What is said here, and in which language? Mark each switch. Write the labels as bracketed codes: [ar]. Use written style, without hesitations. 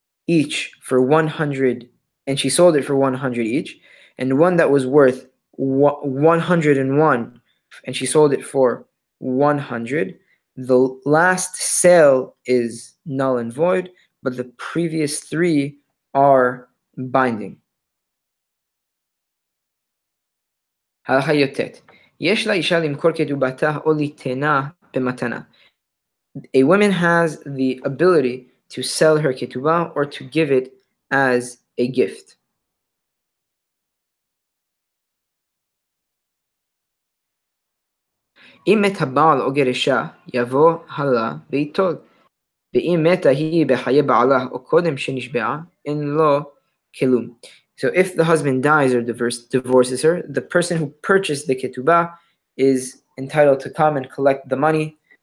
[en] each for 100, and she sold it for 100 each, and one that was worth 101 and she sold it for 100, the last sale is null and void, but the previous three are binding. [he] הלכה יוטט. יש לה אישה למכור כתובתה או ליתנה במתנה. [en] A woman has the ability to sell her ketubah or to give it as a gift. [he] אם מת הבעל או גרשה, יבוא הלה ויטול. ואם מתה היא בחיי בעלה או קודם שנשבעה, אין לו כלום. [en] So if the husband dies or divorces her, the person who purchased the ketubah is entitled to come and collect the money.